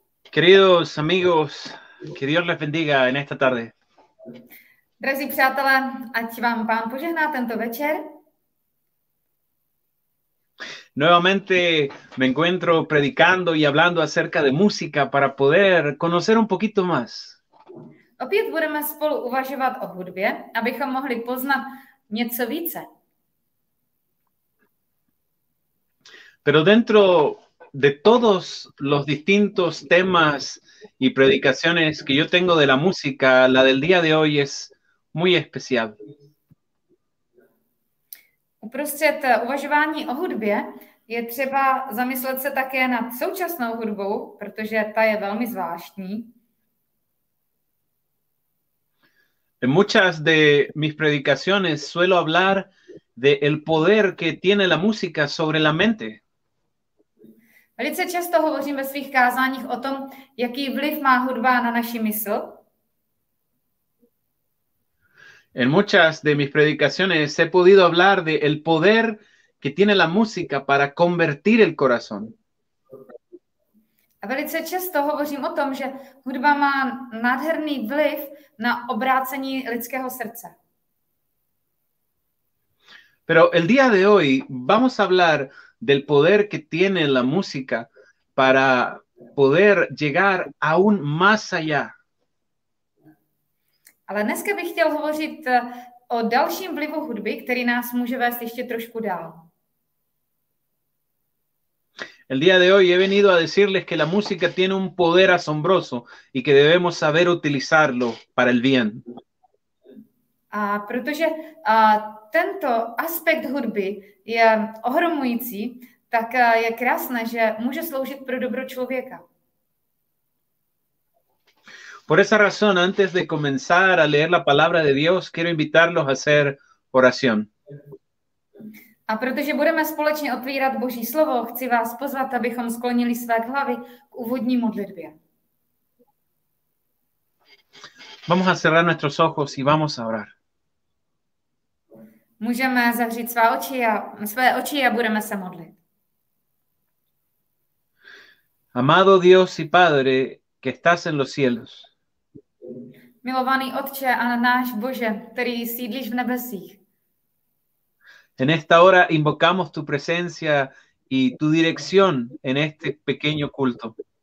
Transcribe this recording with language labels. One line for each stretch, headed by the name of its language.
Spanish: Queridos amigos, que Dios les bendiga en esta tarde.
Czech: Drazí přátelé, ať vám pán požehná tento večer.
Spanish: Nuevamente me encuentro predicando y hablando acerca de música para poder conocer un poquito más.
Czech: Opět budeme spolu uvažovat o hudbě, abychom mohli poznat něco více.
Spanish: Pero dentro de todos los distintos temas y predicaciones que yo tengo de la música, la del día de hoy es muy especial.
Czech: Uprostřed uvažování o hudbě je třeba zamyslet se také nad současnou hudbou, protože ta je velmi zvláštní.
Spanish: En muchas de mis predicaciones suelo hablar de el poder que tiene la música sobre la mente.
Czech: Velice často hovořím ve svých kázáních o tom, jaký vliv má hudba na naši mysl.
Spanish: En muchas de mis predicaciones he podido hablar de el poder que tiene la música para convertir el corazón.
Czech: A velice často hovořím o tom, že hudba má nádherný vliv na obrácení lidského srdce.
Spanish: Pero el día de hoy vamos a hablar del poder que tiene la música para poder llegar aún más allá.
Czech: Ale dneska bych chtěl hovořit o dalším vlivu hudby, který nás může vést ještě trošku dál.
Spanish: El día de hoy he venido a decirles que la música tiene un poder asombroso y que debemos saber utilizarlo para el bien.
Czech: A protože tento aspekt hudby je ohromující, tak je krásné, že může sloužit pro dobro člověka.
Spanish: Por esa razón, antes de comenzar a leer la palabra de Dios, quiero invitarlos a hacer oración.
Czech: A protože budeme společně otvírat Boží slovo, chci vás pozvat, abychom sklonili své hlavy k úvodní modlitbě.
Spanish: Vamos a cerrar nuestros ojos y vamos a orar.
Czech: Můžeme zavřít své oči a budeme se modlit.
Spanish: Amado Dios y Padre, que estás en los cielos.
Czech: Milovaný Otče a náš Bože, který sídlíš v nebesích.
Spanish: En esta hora invocamos tu presencia y tu dirección en este pequeño culto.